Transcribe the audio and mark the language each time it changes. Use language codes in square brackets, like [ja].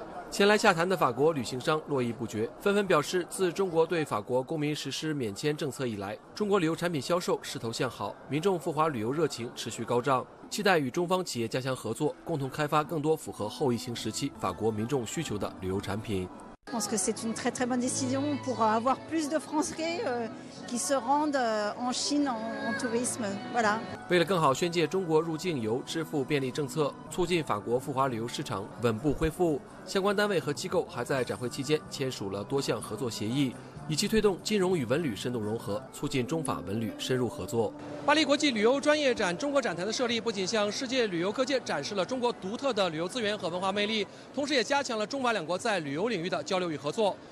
[zh] 前来洽谈的法国旅行商络绎不绝，纷纷表示，自中国对法国公民实施免签政策以来，中国旅游产品销售势头向好，民众赴华旅游热情持续高涨，期待与中方企业加强合作，共同开发更多符合后疫情时期法国民众需求的旅游产品。 [fr] Je pense que c'est une très très bonne décision pour avoir plus de Français qui se rendent en Chine en tourisme. Voilà. [zh] 为了更好宣介中国入境游支付便利政策，促进法国赴华旅游市场稳步恢复，相关单位和机构还在展会期间签署了多项合作协议，以期推动金融与文旅深度融合，促进中法文旅深入合作。巴黎国际旅游专业展中国展台的设立，不仅向世界旅游各界展示了中国独特的旅游资源和文化魅力，同时也加强了中法两国在旅游领域的交流与合作。